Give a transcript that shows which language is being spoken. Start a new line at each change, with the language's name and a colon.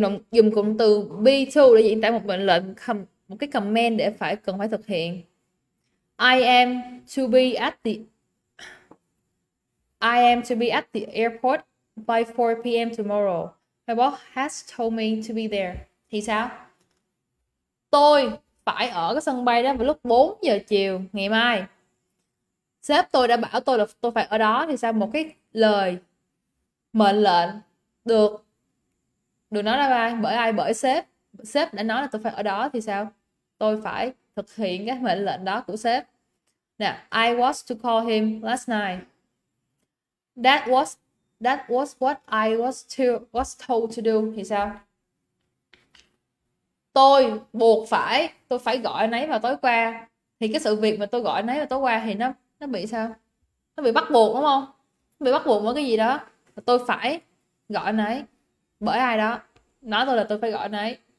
Vietnamese: Dùng cụm từ be to để diễn tả một mệnh lệnh, một cái command để cần phải thực hiện.
English: I am to be at the airport by 4 p.m. tomorrow. My boss has told me to be there.
Vietnamese: Thì sao? Tôi phải ở cái sân bay đó vào lúc 4 giờ chiều ngày mai. Sếp tôi đã bảo tôi là tôi phải ở đó. Thì sao? Một cái lời mệnh lệnh được nói ra vai bởi ai? Bởi sếp. Sếp đã nói là tôi phải ở đó thì sao? Tôi phải thực hiện cái mệnh lệnh đó của sếp. Nè,
English: I was to call him last night. That was what I was told to do.
Vietnamese: Thì sao? Tôi phải gọi anh ấy vào tối qua. Thì cái sự việc mà tôi gọi anh ấy vào tối qua thì nó bị sao? Nó bị bắt buộc đúng không? Nó bị bắt buộc với cái gì đó. Tôi phải gọi anh ấy bởi ai đó nói tôi là tôi phải gọi anh ấy.